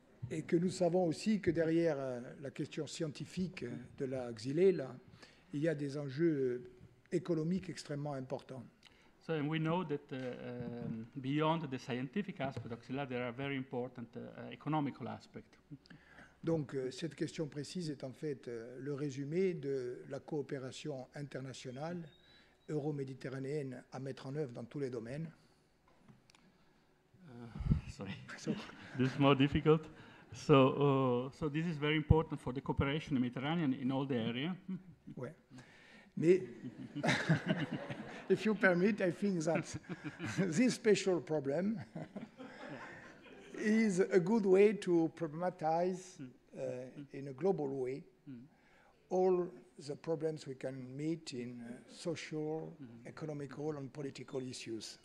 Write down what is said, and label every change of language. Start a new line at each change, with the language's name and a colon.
French: Et que nous savons aussi que derrière la question scientifique de la Xylella, il y a des enjeux économiques extrêmement importants.
English: So and we know that beyond the scientific aspect of Xylella, there are very important economical aspects.
French: Donc cette question précise est en fait le résumé de la coopération internationale euro-méditerranéenne à mettre en œuvre dans tous les domaines.
English: Sorry, this is more difficult. So, so this is very important for the cooperation in the Mediterranean in all the area.
French: Ouais. Mais
English: if you permit, I think that this special problem is a good way to problematize in a global way all the problems we can meet in social, economical, and political issues.